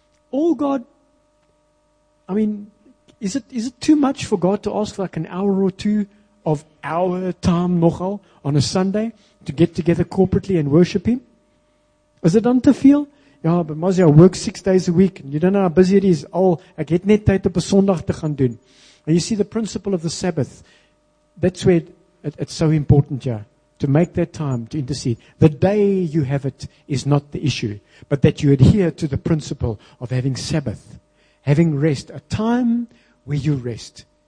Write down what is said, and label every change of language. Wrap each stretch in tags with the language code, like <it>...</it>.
<en>All God, I mean, is it too much for God to ask like an hour or two of our time nogal on a Sunday to get together corporately and worship him? Is it</en> <af>dan te veel?</af> <en>Ja, but Mazi, I work 6 days a week. And you don't know how busy it is.</en> <af>Oh, ek het net tyd op 'n Sondag te gaan doen.</af> <en>And you see the principle of the Sabbath. That's where it's so important, yeah, to make that time to intercede. The day you have it is not the issue, but that you adhere to the principle of having Sabbath, having rest, a time where you rest.</en>